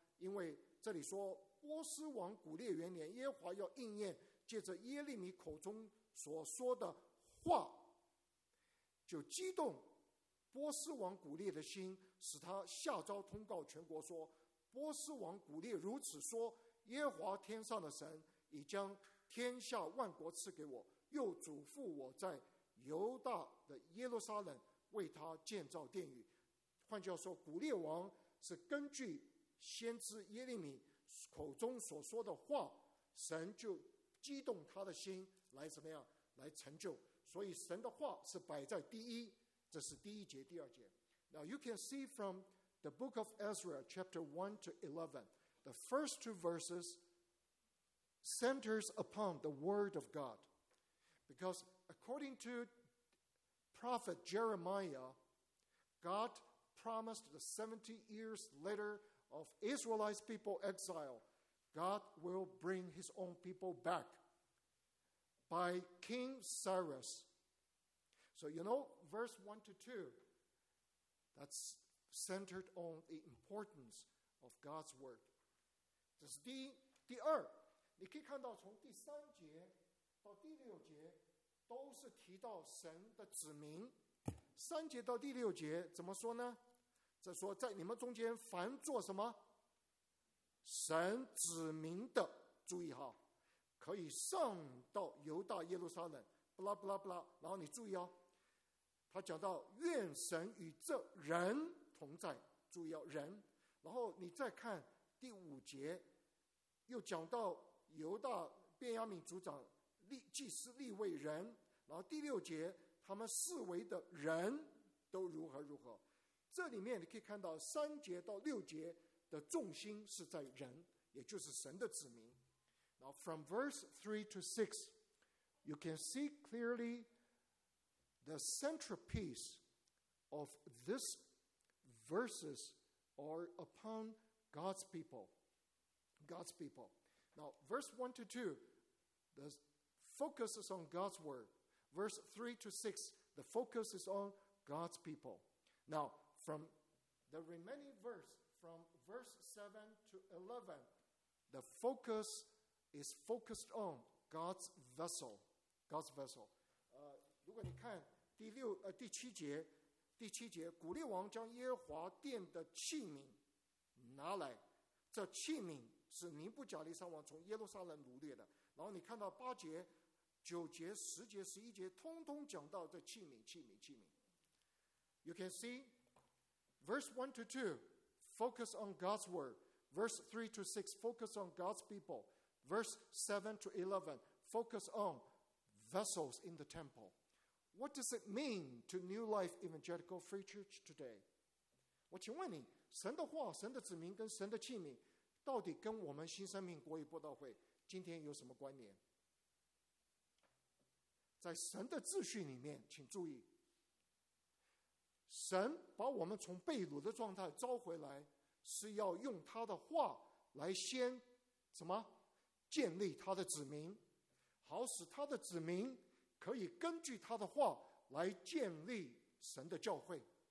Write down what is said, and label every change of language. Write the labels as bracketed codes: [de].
[zh] 因为这里说波斯王古列元年，耶和华要应验借着耶利米口中所说的话，就激动波斯王古列的心，使他下诏通告全国说，波斯王古列如此说，耶和华天上的神已将天下万国赐给我，又嘱咐我在犹大的耶路撒冷为他建造殿宇。换句话说，古列王是根据先知耶利米口中所说的话，神就激动他的心来怎么样来成就。所以神的话是摆在第一，这是第一节第二节。 [en] Now you can see from the book of Ezra chapter 1 to 11, the first two verses centers upon the word of God, because according to prophet Jeremiah, God promised the 70 years later of Israelite people exile, God will bring his own people back by King Cyrus. So you know, verse 1 to 2, that's centered on the importance of God's word. [zh] 这是第二，你可以看到从第三节到第六节都是提到神的子民。三节到第六节怎么说呢？这说在你们中间凡做什么神子民的，注意哈，可以上到犹大耶路撒冷 blah blah blah， 然后你注意哦，他讲到愿神与这人同在，注意哦，人。然后你再看第五节，又讲到犹大便雅悯族长祭司立位人，然后第六节他们四围的人都如何如何。这里面你可以看到三节到六节的重心是在人，也就是神的子民。 [en] Now from verse 3 to 6, you can see clearly the centerpiece of this verses are upon God's people. God's people. Now verse 1 to 2, the focus is on God's word. Verse 3 to 6, the focus is on God's people. Now from the remaining verse, from verse 7 to 11, the focus is focused on God's vessel. God's vessel. [zh] 如果你看第七节，古列王将耶和华殿的器皿拿来，这器皿是尼布甲利撒王从耶路撒冷掳掠的。然后你看到八节、九节、十节、十一节，通通讲到这器皿、器皿、器皿。 [en] You can see, verse 1 to 2, focus on God's word. Verse 3 to 6, focus on God's people. Verse 7 to 11, focus on vessels in the temple. What does it mean to New Life Evangelical Free Church today? [zh] 我请问你，神的话、神的子民跟神的器皿，到底跟我们新生命国语播道会今天有什么关联？在神的秩序里面，请注意，神把我们从被掳的状态召回来，是要用他的话来先什么建立他的子民，好使他的子民可以根据他的话来建立神的教会。